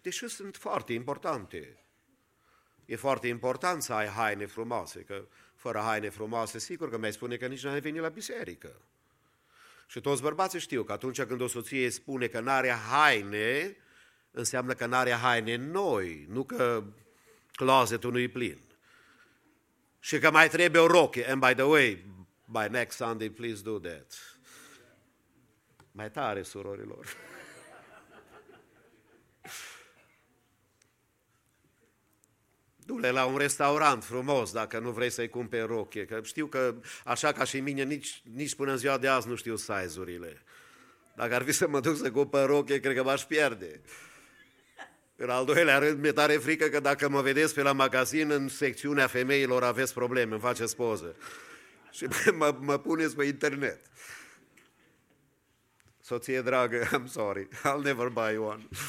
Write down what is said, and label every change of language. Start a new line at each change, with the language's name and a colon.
Romanian: Deși sunt foarte importante. E foarte important să ai haine frumoase, că fără haine frumoase, sigur că mi-ai spune că nici nu ai venit la biserică. Și toți bărbații știu că atunci când o soție spune că n-are haine, înseamnă că n-are haine noi, nu că closetul nu-i plin. Și că mai trebuie o roche.
English: And by the way, by next Sunday, please do that.
Romanian: Mai tare, surorilor. Du-le la un restaurant frumos dacă nu vrei să-i cumperi roche. Că știu că, așa ca și mine, nici până în ziua de azi nu știu size-urile. Dacă ar fi să mă duc să cumpăr roche, cred că m-aș pierde. În al doilea rând, mi-e tare frică că dacă mă vedeți pe la magazin, în secțiunea femeilor aveți probleme, îmi faceți poză. Și mă puneți pe internet. Soție dragă,
English: I'm sorry, I'll never buy one.